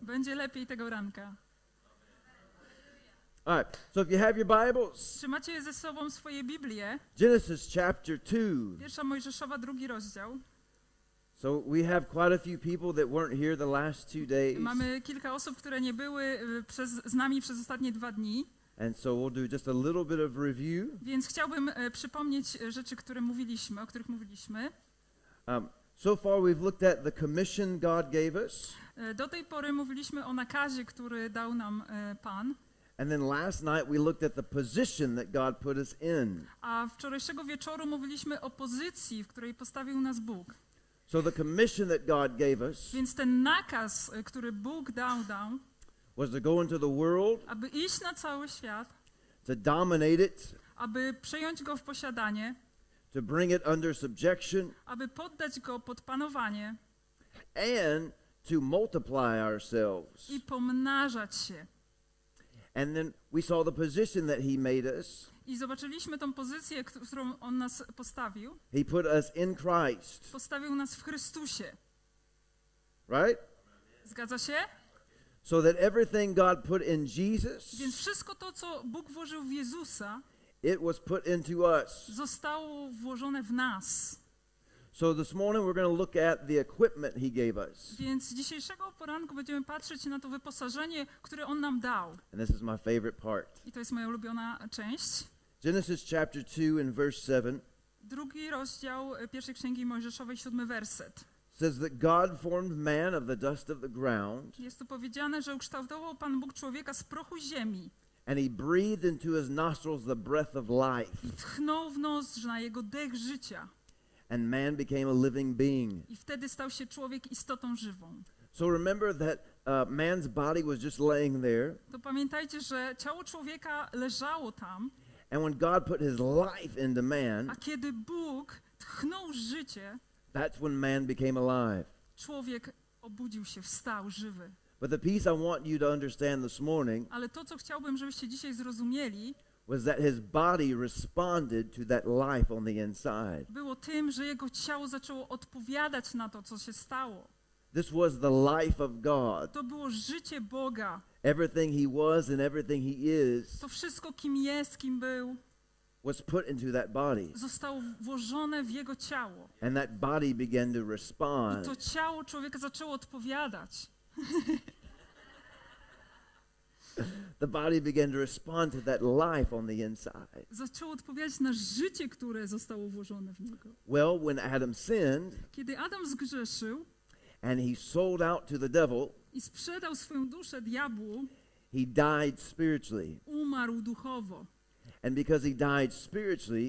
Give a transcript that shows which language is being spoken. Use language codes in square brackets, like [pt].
[pl] Będzie lepiej tego ranka. [en] All right. So if you have your Bibles. [pl] Czy macie ze sobą swoje Biblię? [en] Genesis chapter 2. [pl] Pierwsza Mojżeszowa, drugi rozdział. [en] So we have quite a few people that weren't here the last two days. [pl] Mamy kilka osób, które nie były z nami przez ostatnie dwa dni. [en] And so we'll do just a little bit of review. [pl] Więc chciałbym przypomnieć rzeczy, które mówiliśmy, o których mówiliśmy. [en] So far we've looked at the commission God gave us. [pl] Do tej pory mówiliśmy o nakazie, który dał nam Pan. [en] And then last night we looked at the position that God put us in. [pl] A wczorajszego wieczoru mówiliśmy o pozycji, w której postawił nas Bóg. [en] So the commission that God gave us, [pl] więc ten nakaz, który Bóg dał nam, [en] was to go into the world, [pl] aby iść na cały świat, [en] to dominate it, [pl] aby przejąć go w posiadanie, [en] to bring it under subjection, [pl] aby poddać go pod panowanie, [en] and to multiply ourselves, [pl] i pomnażać się. [en] And then we saw the position that he made us. [pl] I zobaczyliśmy tą pozycję, którą on nas postawił. [en] He put us in Christ. [pl] Postawił nas w Chrystusie. [en] Right? [pl] Zgadza się? [en] So that everything God put in Jesus. [pl] Więc wszystko to, co Bóg włożył w Jezusa, [en] it was put into us. [pl] Zostało włożone w nas. [en] So this morning we're going to look at the equipment he gave us. [pl] Więc dzisiejszego poranku będziemy patrzeć na to wyposażenie, które on nam dał. [en] And this is my favorite part. [pl] I to jest moja ulubiona część. [en] Genesis chapter 2 and verse 7. [pl] Drugi rozdział pierwszej księgi Mojżeszowej, siódmy werset. [en] Says that God formed man of the dust of the ground. [pl] Jest tu powiedziane, że ukształtował Pan Bóg człowieka z prochu ziemi. [en] And he breathed into his nostrils the breath of life. [pl] I tchnął w nozdrza jego dech życia. [en] And man became a living being. [pl] I wtedy stał się człowiek istotą żywą. [en] So remember that man's body was just laying there. [pl] To pamiętajcie, że ciało człowieka leżało tam. [en] And when God put his life into man, [pl] a kiedy Bóg tchnął życie, [en] that's when man became alive. [pl] Człowiek obudził się, wstał żywy. [en] But the piece I want you to understand this morning, [pl] ale to, co chciałbym, żebyście dzisiaj zrozumieli, [en] was that his body responded to that life on the inside. [pl] Było tym, że jego ciało zaczęło odpowiadać na to, co się stało. [en] This was the life of God. [pl] To było życie Boga. [en] Everything he was and everything he is, [pl] to wszystko, kim jest, kim był, [en] was put into that body. [pl] Zostało włożone w jego ciało. [en] And that body began to respond. [pl] I to ciało człowieka zaczęło odpowiadać. [en] The body began to respond to that life on the inside. [pl] Zaczął odpowiadać na życie, które zostało włożone w niego. [en] Well, when Adam sinned, [pl] kiedy Adam zgrzeszył, [en] And he sold out to the devil. [pl] I sprzedał swoją duszę diabłu. [en] He died spiritually. [pl] Umarł duchowo. [en] And because he died spiritually,